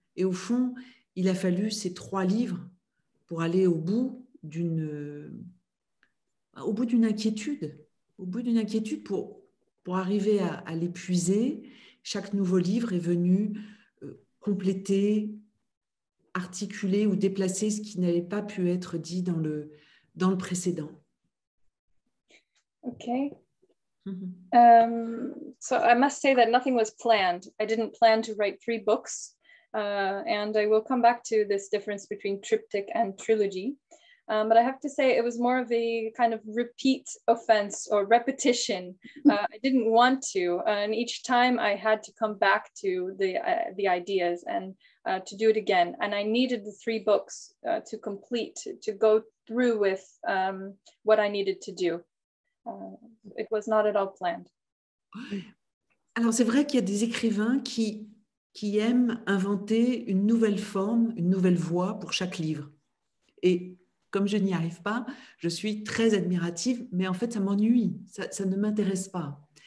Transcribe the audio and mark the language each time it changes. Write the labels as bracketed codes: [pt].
[fr] Et au fond, il a fallu ces trois livres pour aller au bout d'une inquiétude pour arriver à l'épuiser. Chaque nouveau livre est venu compléter, articuler ou déplacer ce qui n'avait pas pu être dit dans le précédent. Ok. [en] So I must say that nothing was planned. I didn't plan to write three books. And I will come back to this difference between triptych and trilogy. But I have to say it was more of a kind of repeat offense or repetition. I didn't want to. And each time I had to come back to the ideas and to do it again. And I needed the three books to complete, to go through with what I needed to do. It was not at all planned. [fr] Alors, c'est vrai qu'il y a des écrivains qui aiment inventer une nouvelle forme, une nouvelle voie pour chaque livre. Et comme je n'y arrive pas, je suis très admirative, mais en fait, ça m'ennuie, ça ne m'intéresse pas.